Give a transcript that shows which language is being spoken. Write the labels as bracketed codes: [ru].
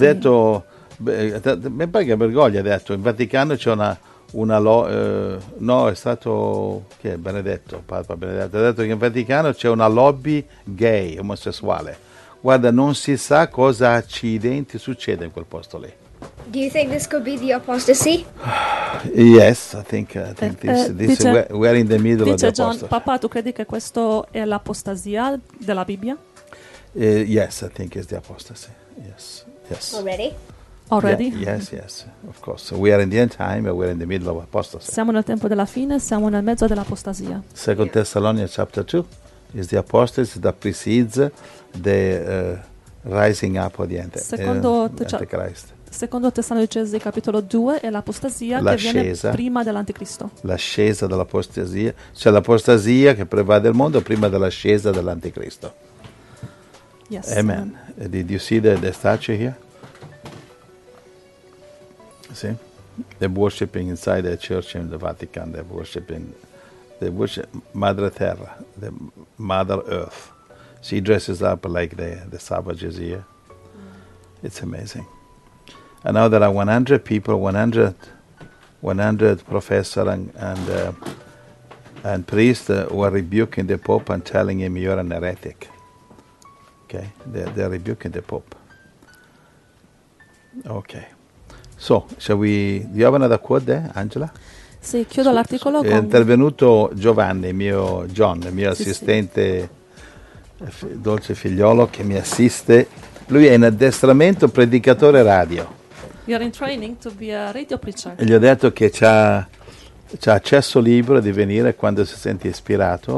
[it] Detto, mi pare che Bergoglio ha detto, in Vaticano c'è Benedetto, ha detto che in Vaticano c'è una lobby gay, omosessuale. Guarda, non si sa cosa accidenti succede in quel posto lì. [en] Do you think this could be the apostasy? Yes, I think we're in the middle [it] dice [en] of the apostasy. [it] John, papà, tu credi che questo è l'apostasia della Bibbia? [en] Yes, I think it's the apostasy. Yes, yes. Already? Yes, of course. So we are in the end time and we're in the middle of apostasy. [it] Siamo nel tempo della fine, siamo nel mezzo dell'apostasia. [en] Second Thessalonians chapter 2 is the apostasy that precedes the rising up of the Antichrist. [it] Secondo Tessalonicesi capitolo 2 è l'apostasia che viene prima dell'Anticristo. L'ascesa dell'apostasia, cioè l'apostasia che pervade il mondo prima dell'ascesa dell'Anticristo. [en] Yes. Amen. Did you see the statue here? See? They're worshiping inside the church in the Vatican. They worship Madre Terra, the Mother Earth. She dresses up like the savages here. It's amazing. And now there are 100 people, 100 professors and priests who are rebuking the Pope and telling him you're an heretic. Okay, they're rebuking the Pope. Okay. So, do you have another quote there, Angela? [it] Sì, chiudo l'articolo. È intervenuto Giovanni, il mio assistente, dolce figliolo, che mi assiste. Lui è in addestramento predicatore radio. [en] You're in training to be a radio preacher. [it] E gli ho detto che c'ha accesso libero di venire quando si sente ispirato.